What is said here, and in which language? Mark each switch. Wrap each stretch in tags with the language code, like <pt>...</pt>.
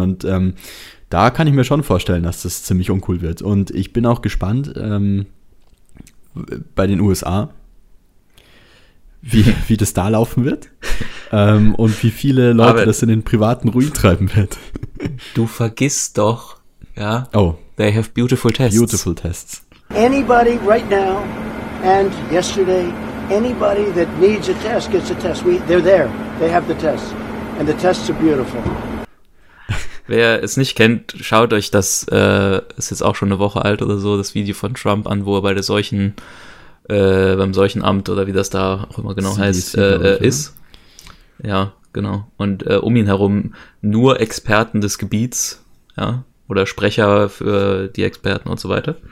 <de>Und da kann ich mir schon vorstellen, dass das ziemlich uncool wird. Und ich bin auch gespannt bei den USA, wie das da laufen wird und wie viele Leute das in den privaten Ruin treiben wird. Du vergisst doch, ja. Oh.</de> <en>They have beautiful tests. Beautiful tests. Anybody right now and yesterday, anybody that needs a test gets a test. They're there. They have the tests. And the tests are beautiful.</en> <de>Wer es nicht kennt, schaut euch das, ist jetzt auch schon eine Woche alt oder so, das Video von Trump an, wo er bei der Seuchen, beim Seuchenamt oder wie das da auch immer genau heißt, ist. Ja, genau. Und um ihn herum nur Experten des Gebiets, ja, oder Sprecher für die Experten und so weiter.</de>